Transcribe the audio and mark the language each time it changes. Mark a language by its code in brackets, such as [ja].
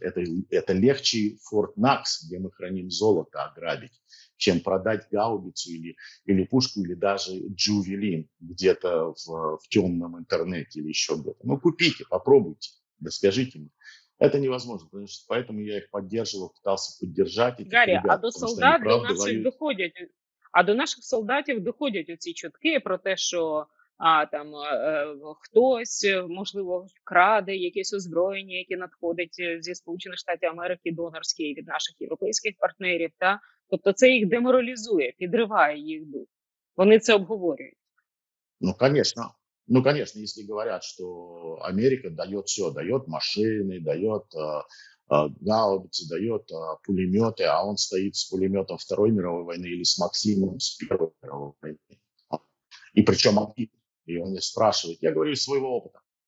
[ru] Это легче Форт Накс, где мы храним золото, ограбить, чем продать гаубицу или пушку, или даже джувелин где-то в темном интернете или еще где-то. Ну, купите, попробуйте, да скажите мне. Это невозможно, потому что поэтому я их поддерживал, пытался поддержать этих [uk] Гарі, [ru] ребят. [uk] А до солдат до наших доходять, а до наших солдатів доходять оці чутки про те, що там хтось, можливо, краде якесь озброєння, яке надходить зі Сполучених Штатів Америки, донорський від наших європейських партнерів. Та тобто це їх деморалізує, підриває їх дух. Вони це обговорюють. Ну, звісно. [ru] Ну, конечно, если говорят, что Америка дает все, дает машины, дает гаубицы, дает пулеметы, а он стоит с пулеметом Второй мировой войны или с Максимом с Первой мировой войны. И причем он меня спрашивает, я говорю из своего опыта.